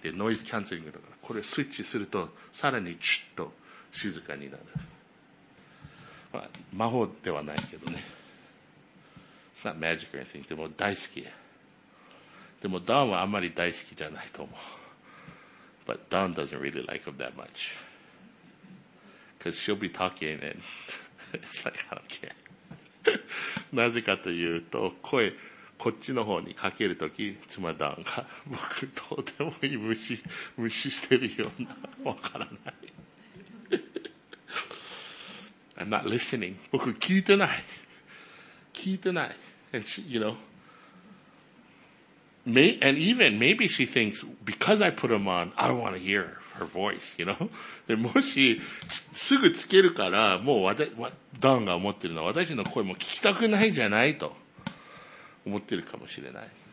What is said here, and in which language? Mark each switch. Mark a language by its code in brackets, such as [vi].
[ja] で、ノイズキャンセリングだから、これスイッチすると、さらにチュッと静かになる。まあ、魔法ではないけどね。 [en] It's not magic or anything. [ja] でも大好き。でもダンはあんまり大好きじゃないと思う。 [en] But Dawn doesn't really like him that much. Because she'll be talking and it's like, I don't care. [ja] なぜかというと、声、こっちの方にかけるとき、妻ダンが僕とてもいい無視してるような、わからない。 [en] I'm not listening. [ja] 僕聞いてない。聞いてない。 [en] And she, you know. Maybe she thinks, because I put them on, I don't want to hear her voice, you know. [ja] でもし、すぐつけるから、もう ダンが思ってるのは私の声も聞きたくないじゃないと思ってるかもしれない。